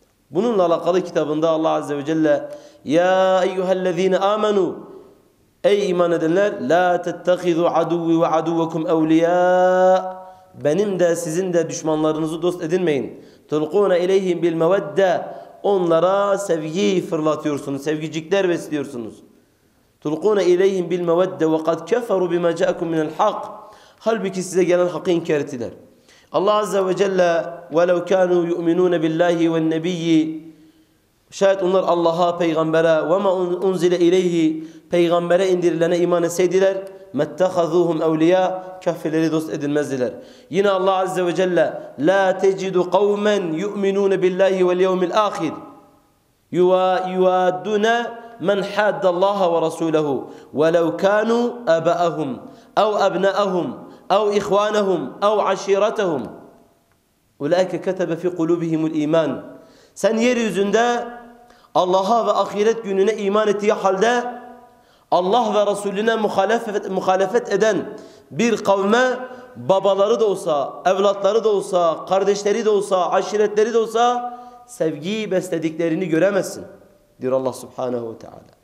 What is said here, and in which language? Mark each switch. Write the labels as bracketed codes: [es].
[tr] Bununla alakalı kitabında Allah Azze ve Celle [ar] يَا اَيُّهَا الَّذ۪ينَ آمَنُوا [tr] Ey iman edenler [ar] لَا تَتَّخِذُوا عَدُوِّ وَعَدُوَّكُمْ اَوْلِيَاءَ [tr] Benim de sizin de düşmanlarınızı dost edinmeyin. [ar] تُلْقُونَ اِلَيْهِمْ بِالْمَوَدَّ [tr] Onlara sevgi fırlatıyorsunuz, sevgicikler besliyorsunuz. [ar] تُلْقُونَ اِلَيْهِمْ بِالْمَوَدَّ وَقَدْ كَفَرُوا بِمَا جَاءَكُمْ مِنَ الْحَقِّ [tr] Halbuki size gelen hakkı inkar ettiler. Allah Azze ve Celle [ar] وَلَوْ كَانُوا يُؤْمِنُونَ بِاللّٰهِ وَالنَّبِيِّ [tr] Şayet onlar Allah'a, peygambere [ar] وَمَا اُنْزِلَ اِلَيْهِ [tr] peygambere indirilene iman etseydiler [ar] مَتَّخَذُوهُمْ اَوْلِيَا [tr] kafirleri dost edilmezdiler. [ar] Yine Allah Azze ve Celle لَا تَجِدُ قَوْمًا يُؤْمِنُونَ بِاللّٰهِ وَالْيَوْمِ الْآخِرِ يُوَادُّونَ من حاد الله ورسوله ولو كانوا أباءهم أو أبناءهم أو إخوانهم أو عشيرتهم أولئك كتب في قلوبهم الإيمان. [tr] Sen yeryüzünde Allah'a ve ahiret gününe iman ettiği halde Allah ve Resulüne muhalefet eden bir kavme babaları da olsa, evlatları da olsa, kardeşleri de olsa, aşiretleri de olsa sevgi beslediklerini göremezsin diyor Allah Subhanahu ve Teala.